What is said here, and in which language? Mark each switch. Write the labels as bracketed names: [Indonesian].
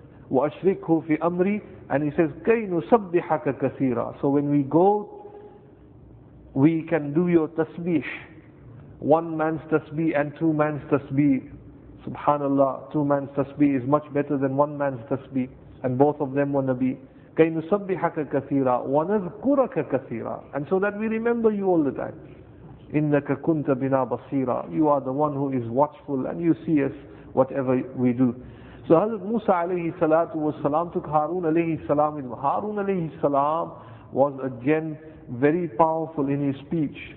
[Arabic] وَأَشْرِكْهُ فِي أَمْرِي. [English] And he says, [Arabic] كَيْ نُسَبِّحَكَ كَثِيرًا. [English] So when we go, we can do your tasbih. One man's tasbih and two man's tasbih. Subhanallah, two man's tasbih is much better than one man's tasbih. And both of them were Nabi. [Arabic] كَيْ نُسَبِّحَكَ كَثِيرًا وَنَذْكُرَكَ كَثِيرًا. [English] And so that we remember you all the time. [Arabic] إِنَّكَ كُنْتَ بِنَا بَصِيرًا. [English] You are the one who is watchful and you see us whatever we do. So Hazrat Musa alayhi salatu was salam took Harun alayhi salam with him. Harun alayhi salam was again very powerful in his speech.